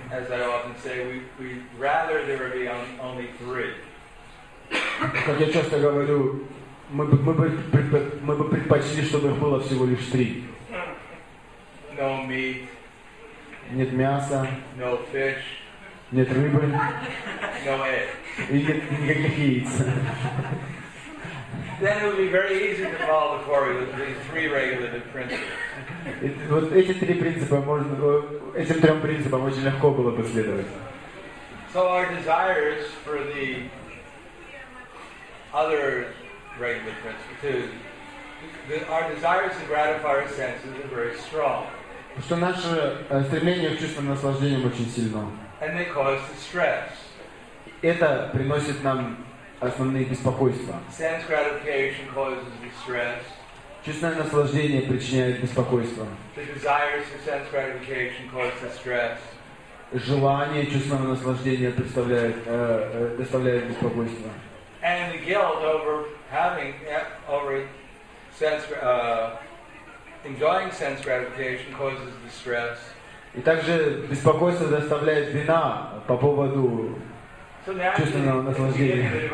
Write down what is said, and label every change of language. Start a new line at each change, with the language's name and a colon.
English: As I often say, we'd rather there be only three.
Russian: Как я часто говорю, мы бы предпочли, чтобы их было всего лишь три.
English: No meat.
Russian: Нет мяса.
English: No fish.
Russian: Нет рыбы.
English: No eggs.
Russian: И нет никаких яиц.
English: Then it would be very easy to follow the four three regulative principles.
Russian: Вот эти три принципа можно, этим трем принципам очень легко было бы следовать.
English: So our desires for the other regulative principles, our desires to gratify our senses are very strong.
Russian: Что наше стремление к чувствам наслаждения очень сильно.
English: And they cause the stress.
Russian: Это приносит нам основные беспокойства.
English: Sense gratification causes the stress.
Russian: Чувственное наслаждение причиняет беспокойство.
English: The desires for sense gratification causes the stress.
Russian: Желание чувственного наслаждения доставляет беспокойство.
English: And the guilt over having over sense enjoying sense gratification causes the stress.
Russian: И также беспокойство доставляет вина по поводу чувственного наслаждения.